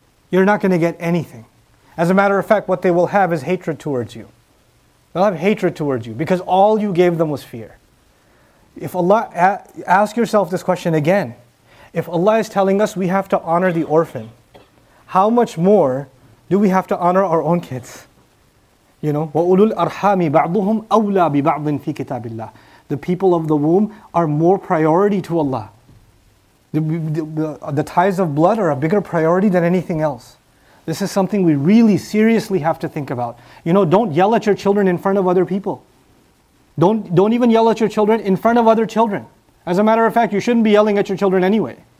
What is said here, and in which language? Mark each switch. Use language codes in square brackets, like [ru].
[en] You're not going to get anything. As a matter of fact, what they will have is hatred towards you. They'll have hatred towards you because all you gave them was fear. If Allah, ask yourself this question again. If Allah is telling us we have to honor the orphan, how much more do we have to honor our own kids? You know, [ar] وَأُولُو الْأَرْحَامِ بَعْضُهُمْ أَوْلَى بِبَعْضٍ فِي كِتَابِ اللَّهِ. [en] The people of the womb are more priority to Allah. The ties of blood are a bigger priority than anything else. This is something we really seriously have to think about. You know, don't yell at your children in front of other people. Don't even yell at your children in front of other children. As a matter of fact, you shouldn't be yelling at your children anyway.